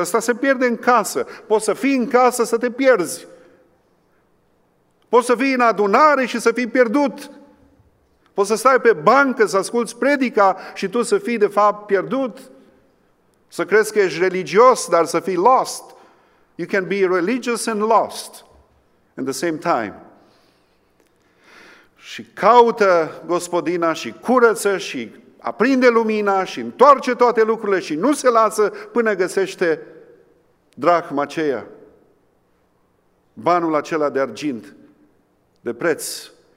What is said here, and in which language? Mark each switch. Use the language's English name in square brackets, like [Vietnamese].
[Romanian] Asta se pierde în casă. Poți să fii în casă să te pierzi. Poți să fii în adunare și să fii pierdut. Poți să stai pe bancă să asculți predica și tu să fii de fapt pierdut. Să crezi că ești religios, dar să fii lost. [English] You can be religious and lost in the same time. [Romanian] Și caută gospodina și curăță și aprinde lumina și întoarce toate lucrurile și nu se lasă până găsește drahma aceea, banul acela de argint, de preț.